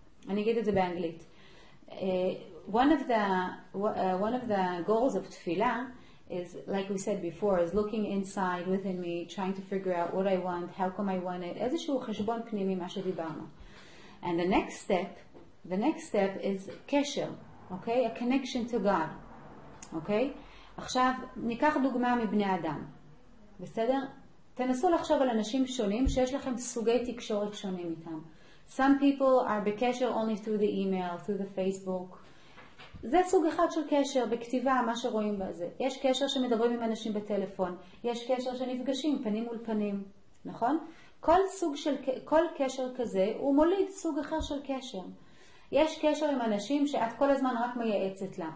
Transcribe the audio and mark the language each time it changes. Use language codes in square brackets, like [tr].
[he] אני אגיד את זה באנגלית. [en] One of the goals of תפילה is, like we said before, is looking inside, within me, trying to figure out what I want, how come I want it, [he] איזשהו חשבון פנימי, מה שדיברנו. [en] And the next step is קשר. Okay, a connection to God. Okay? [he] עכשיו, ניקח דוגמה מבני אדם. בסדר? תנסו לחשוב על אנשים שונים שיש לכם סוגי תקשורת שונים איתם. [en] Some people are בקשר only through the email, through the Facebook. [he] זה סוג אחד של קשר, בכתיבה, מה שרואים בזה. יש קשר שמדברים עם אנשים בטלפון. יש קשר שנפגשים, פנים מול פנים. נכון? כל סוג של כל קשר כזה הוא מוליד סוג אחר של קשר. יש קשר עם אנשים שאת כל הזמן רק מייעצת לה.